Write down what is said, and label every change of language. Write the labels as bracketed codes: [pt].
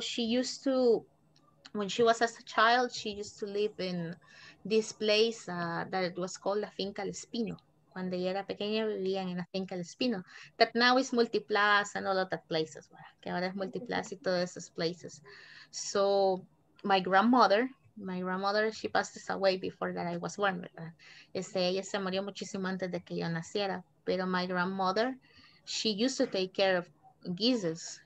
[en] She used to, when she was as a child, she used to live in this place that was called La Finca El Espino. [es] Cuando ella era pequeña vivían en La Finca El Espino. [en] That now is Multiplaza and all of that places. [es] Que ahora es Multiplaza y todos esos [en] places. So, my grandmother, she passed away before that I was born, ¿verdad? [es] Ella se murió muchísimo antes de que yo naciera. Pero [en] my grandmother, she used to take care of geeses.